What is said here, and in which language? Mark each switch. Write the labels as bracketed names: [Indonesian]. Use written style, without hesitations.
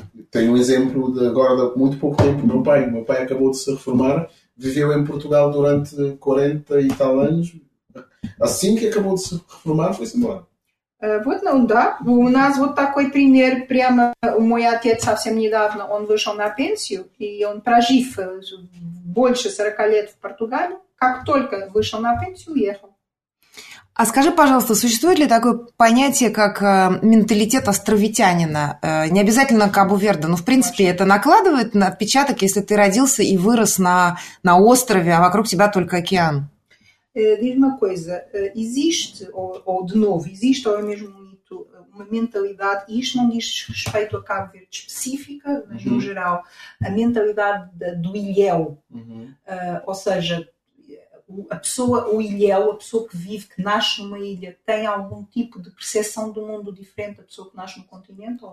[Portuguese] Tenho um exemplo de agora de muito pouco tempo, meu pai acabou de se reformar. Viveu em Portugal durante 40 e tal anos. Assim que acabou de se reformar, foi-se embora. [Russian] Вот, [Portuguese] não dá. [Russian] У нас вот такой пример. Прямо [Portuguese] o meu [Russian] отец, совсем недавно, он вышел на пенсию, и он, прожив больше 40 лет в Португалии, как только вышел на пенсию, уехал. А скажи, пожалуйста, существует ли такое понятие, как менталитет островитянина? Не обязательно Кабо-Верде, но, в принципе, это накладывает на отпечаток, если ты родился и вырос на острове, а вокруг тебя только океан? [Portuguese] Diz-me uma coisa. Existe, ou de novo, existe ou é mesmo muito uma mentalidade, isto não diz respeito a Cabo Verde específica, mas no geral, a mentalidade do ilhéu, ou seja, a pessoa, o ilhéu, a pessoa que vive, que nasce numa ilha, tem algum tipo de percepção do mundo diferente da pessoa que nasce no continente?